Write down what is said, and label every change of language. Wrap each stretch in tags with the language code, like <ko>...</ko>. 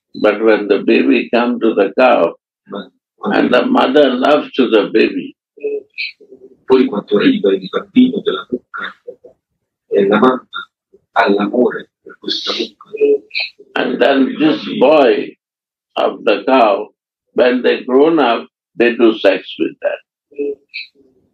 <en>But when the baby comes to the cow, and the mother loves to the baby.</en> <it>Poi quando arriva il bambino della mucca, e la mamma ha l'amore per questa mucca.</it> <en>And then this boy of the cow, when they grown up, they do sex with that.</en>